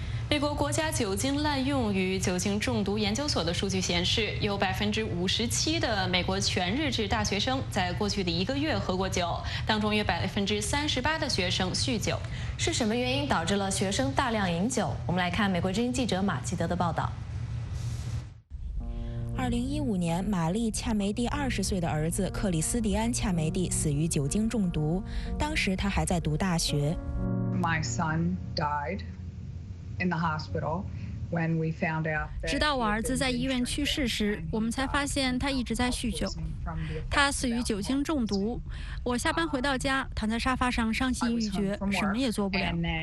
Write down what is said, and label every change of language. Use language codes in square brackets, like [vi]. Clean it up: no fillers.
[zh] 美国国家酒精滥用与酒精中毒研究所的数据显示，有57%的美国全日制大学生在过去的一个月喝过酒，当中约38%的学生酗酒。是什么原因导致了学生大量饮酒？我们来看美国之音记者马吉德的报道。 2015年，玛丽·恰梅蒂20岁的儿子克里斯迪安·恰梅蒂死于酒精中毒，当时他还在读大学。 [en] My son died in the hospital when we found out. [zh] 直到我儿子在医院去世时，我们才发现他一直在酗酒。他死于酒精中毒。我下班回到家，躺在沙发上伤心欲绝，什么也做不了。